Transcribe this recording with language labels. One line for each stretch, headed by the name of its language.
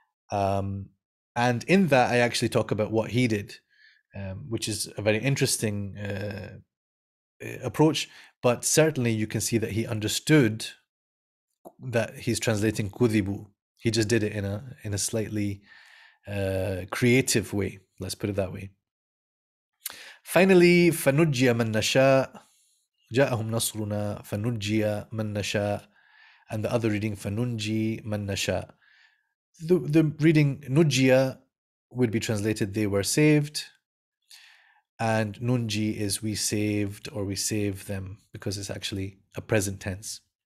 English: And in that, I actually talk about what he did, which is a very interesting approach. But certainly you can see that he understood that he's translating kudhibu. He just did it in a slightly creative way. Let's put it that way.
Arabic: Finally, فَنُجِّيَ مَنْ نَشَاءُ جَاءَهُمْ نَصْرُنَا فَنُجِّيَ مَنْ نَشَاءُ.
English: And the other reading,
Arabic: فَنُنْجِي مَنْ نَشَاءُ.
English: The reading Nujia would be translated, they were saved. And Nunji is we saved or we save them, because it's actually a present tense.